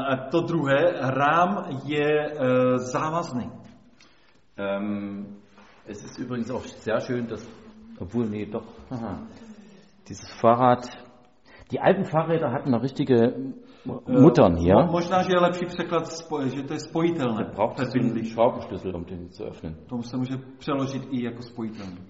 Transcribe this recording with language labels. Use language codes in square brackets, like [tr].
[cs] To druhé, Rám je závazný. [de] Es ist übrigens auch sehr schön, dass, obwohl, nee, doch, aha, dieses Fahrrad, die alten Fahrräder hatten eine richtige Muttern hier. [cs] Možná, že je lepší překlad, že to je spojitelné. [de] Da braucht es einen Schraubenschlüssel, um den zu öffnen. [cs] To se může přeložit i jako spojitelný.